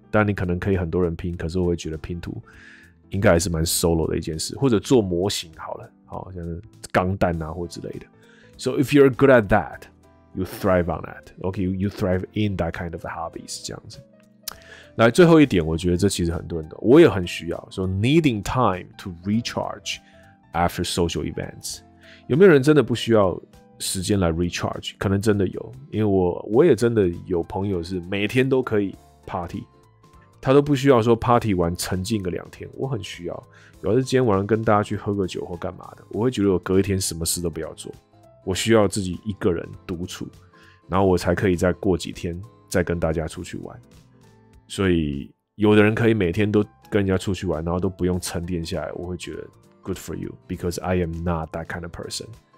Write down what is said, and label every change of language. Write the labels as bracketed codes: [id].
[zh] 但你可能可以很多人拼，可是我会觉得拼图应该还是蛮 solo 的一件事。或者做模型好了，好像是钢弹啊或之类的。 [en] So if you're good at that, you thrive on that. Okay, you thrive in that kind of hobbies. [zh] 这样子。来，最后一点，我觉得这其实很多人都，我也很需要。 [en] So needing time to recharge after social events. [zh] 有没有人真的不需要？时间来 recharge， 可能真的有，因为我也真的有朋友是每天都可以 party， 他都不需要说 party 完沉浸个两天，我很需要，有的是今天晚上跟大家去喝个酒或干嘛的，我会觉得我隔一天什么事都不要做，我需要自己一个人独处，然后我才可以再过几天再跟大家出去玩，所以有的人可以每天都跟人家出去玩，然后都不用沉淀下来，我会觉得 [en] good for you， because I am not that kind of person。